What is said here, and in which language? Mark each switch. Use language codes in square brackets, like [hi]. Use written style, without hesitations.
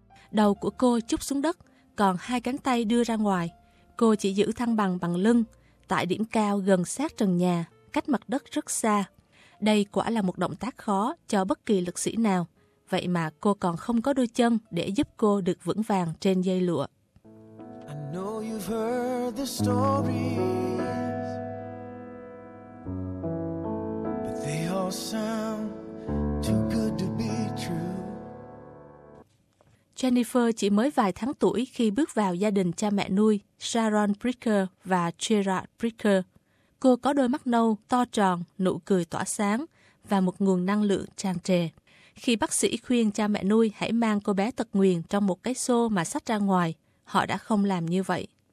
[vi] Đầu của cô chúc xuống đất, còn hai cánh tay đưa ra ngoài. Cô chỉ giữ thăng bằng bằng lưng, tại điểm cao gần sát trần nhà, cách mặt đất rất xa. Đây quả là một động tác khó cho bất kỳ lực sĩ nào. Vậy mà cô còn không có đôi chân để giúp cô được vững vàng trên dây lụa. [en] I know you've heard the stories, but they all sound too good to be true. [vi] Jennifer chỉ mới vài tháng tuổi khi bước vào gia đình cha mẹ nuôi Sharon Bricker và Gerard Bricker. Cô có đôi mắt nâu, to tròn, nụ cười tỏa sáng và một nguồn năng lượng tràn trề. Khi bác sĩ khuyên cha mẹ nuôi hãy mang cô bé tật nguyền trong một cái xô mà xách ra ngoài, họ đã không làm như vậy.